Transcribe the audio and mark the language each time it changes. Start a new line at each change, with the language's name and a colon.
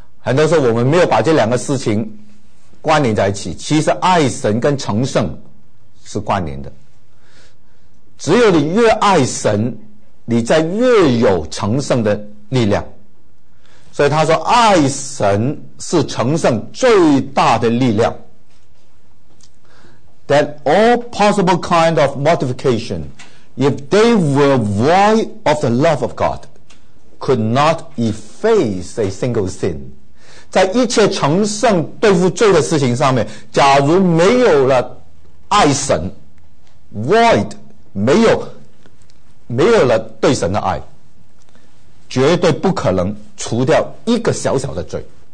Chinese: 很多时候我们没有把这两个事情关联在一起，其实爱神跟成圣是关联的。只有你越爱神，你在越有成圣的力量。所以他说爱神是成圣最大的力量。
English: That all possible kind of mortification, if they were void of the love of God, could not efface a single sin.
Chinese: 在一切成圣对付罪的事情上面，假如没有了爱神， void, 没有了对神的爱，绝对不可能除掉一个小小的罪。